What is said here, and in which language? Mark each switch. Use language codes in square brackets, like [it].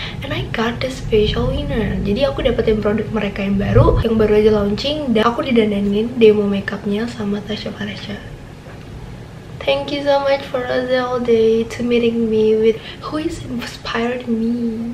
[en] And I got the special winner. [id] Jadi aku dapetin produk mereka yang baru aja launching, dan aku didandanin demo makeup-nya sama Tasya Farasya. [en] Thank you so much for Rose All Day to meeting me with who is inspired me.